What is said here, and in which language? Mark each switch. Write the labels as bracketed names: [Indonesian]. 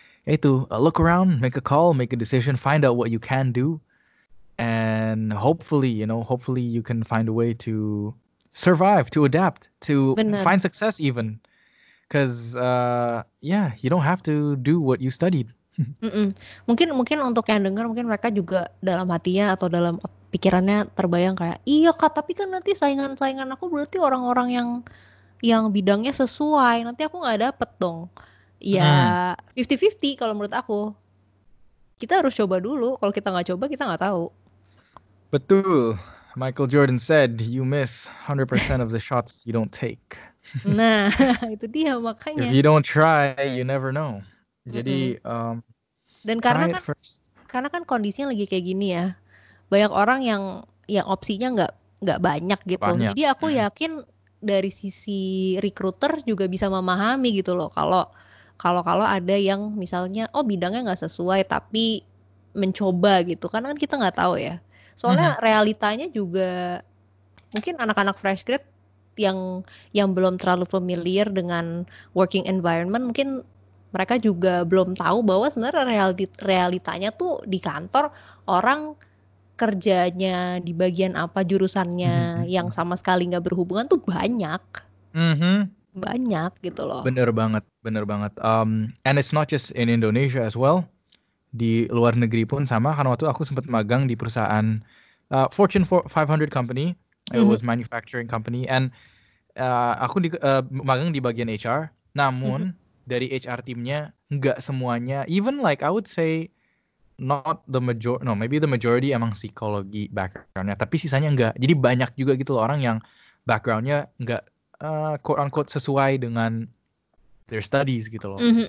[Indonesian] Itu, [English] look around, make a call, make a decision, find out what you can do. And hopefully, you know, hopefully you can find a way to survive, to adapt, to find success even. Because you don't have to do what you studied. [Indonesian] Mungkin untuk yang dengar, mungkin mereka juga dalam hatinya atau dalam pikirannya terbayang kayak, iya kak, tapi kan nanti saingan-saingan aku berarti orang-orang yang bidangnya sesuai, nanti aku gak dapet dong. Ya, 50-50 kalau menurut aku. Kita harus coba dulu, kalau kita gak coba kita gak tahu. Betul. [English] Michael Jordan said, you miss 100% of the shots you don't take. [Indonesian] Nah, itu dia makanya. [English] If you don't try, you never know. [Indonesian] Jadi, dan karena kan kondisinya lagi kayak gini ya, banyak orang yang opsinya gak banyak gitu. Banyak. Jadi aku yakin dari sisi recruiter juga bisa memahami gitu loh. Kalau ada yang misalnya, oh bidangnya gak sesuai tapi mencoba gitu. Karena kan kita gak tahu ya. Soalnya realitanya juga mungkin anak-anak fresh grad yang belum terlalu familiar dengan working environment, mungkin mereka juga belum tahu bahwa sebenarnya realitanya tuh di kantor orang kerjanya di bagian apa, jurusannya yang sama sekali nggak berhubungan tuh banyak. Banyak gitu loh. Bener banget. [English] And it's not just in Indonesia as well. [Indonesian] Di luar negeri pun sama, karena waktu aku sempat magang di perusahaan [English] Fortune 500 company, it was manufacturing company, [Indonesian] and aku magang di bagian HR, namun dari HR timnya, nggak semuanya, [English] even like I would say, maybe the majority [Indonesian] emang psikologi backgroundnya, tapi sisanya nggak, jadi banyak juga gitu loh orang yang backgroundnya nggak [English] quote-unquote [Indonesian] sesuai dengan [English] their studies [Indonesian] gitu loh.